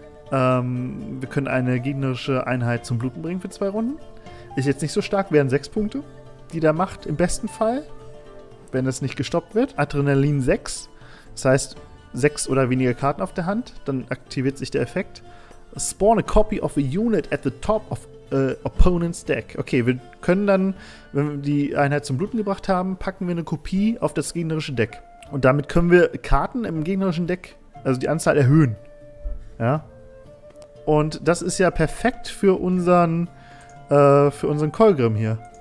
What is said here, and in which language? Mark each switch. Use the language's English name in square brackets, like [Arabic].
[German] Wir können eine gegnerische Einheit zum Bluten bringen für 2 Runden. Ist jetzt nicht so stark, wären 6 Punkte, die der macht im besten Fall, wenn es nicht gestoppt wird. Adrenalin 6, das heißt 6 oder weniger Karten auf der Hand, dann aktiviert sich der Effekt. [English] Spawn a copy of a unit at the top of opponent's deck. [German] Okay, wir können dann, wenn wir die Einheit zum Bluten gebracht haben, packen wir eine Kopie auf das gegnerische Deck. Und damit können wir Karten im gegnerischen Deck, also die Anzahl, erhöhen. Ja. Und das ist ja perfekt für unseren Kolgrim hier.